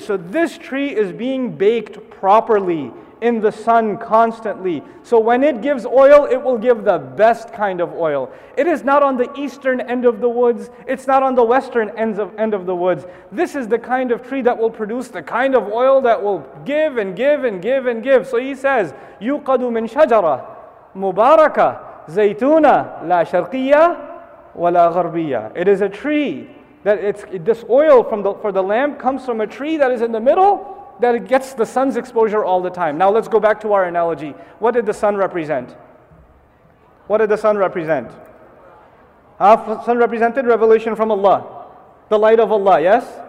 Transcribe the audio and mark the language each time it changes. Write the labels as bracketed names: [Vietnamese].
[English] So this tree is being baked properly in the sun constantly. So when it gives oil, it will give the best kind of oil. It is not on the eastern end of the woods. It's not on the western end of the woods. This is the kind of tree that will produce the kind of oil that will give and give and give and give. So he says, [Arabic] يُقَدُ مِنْ شَجَرَةٍ مُبَارَكَةٍ زَيْتُونَ لَا شَرْقِيَّةٍ وَلَا غَرْبِيَّةٍ. [English] It is a tree that this oil for the lamp comes from a tree that is in the middle, that it gets the sun's exposure all the time. Now let's go back to our analogy. What did the sun represent? What did the sun represent? Sun represented revelation from Allah. The light of Allah, yes?